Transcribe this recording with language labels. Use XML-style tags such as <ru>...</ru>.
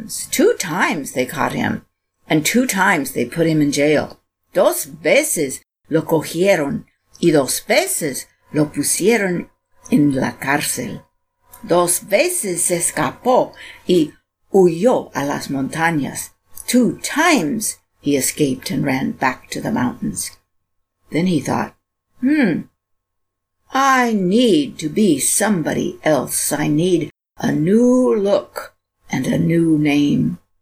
<en>Two times they caught him, and two times they put him in jail.</en> <es>Dos veces lo cogieron y dos veces lo pusieron en la cárcel. Dos veces se escapó y huyó a las montañas.</es> <en>Two times he escaped and ran back to the mountains. Then he thought, I need to be somebody else. I need a new look and a new name.</en>